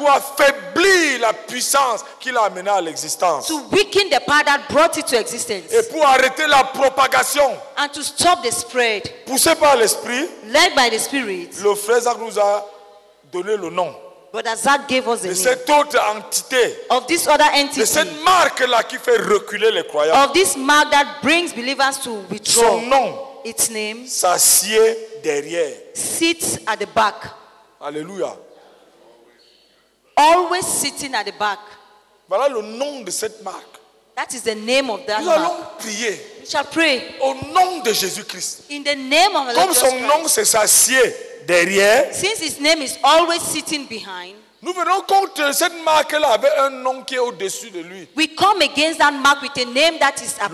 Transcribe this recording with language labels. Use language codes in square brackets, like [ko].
[fr] Pour affaiblir la puissance qui l'a amené à l'existence. [en] To weaken the power that brought it to existence. [fr] Et pour arrêter la propagation. [en] And to stop the spread. [fr] Poussé par l'esprit. [en] Led by the spirit. [fr] Le frère Zach nous a donné le nom. [en] But Zach gave us the name. [fr] De cette autre entité. [en] Of this other entity. [fr] De cette marque là qui fait reculer les croyants. [en] Of this mark that brings believers to withdraw. [fr] Son nom. [en] Its name. [fr] S'assied derrière. [en] Sits at the back. [fr] Alléluia. [en] Always sitting at the back. [fr] Voilà le nom de cette marque. [en] That is the name of that [fr] nous [en] mark. [fr] Nous allons prier. [en] We shall pray. [fr] Au nom de Jésus Christ. [en] In the name of [fr] comme son nom c'est s'assied derrière. [en] Since his name is always sitting behind. [fr] Nous venons contre cette marque là avec un nom qui est au-dessus de lui. [en] We come against that mark with a name that is above.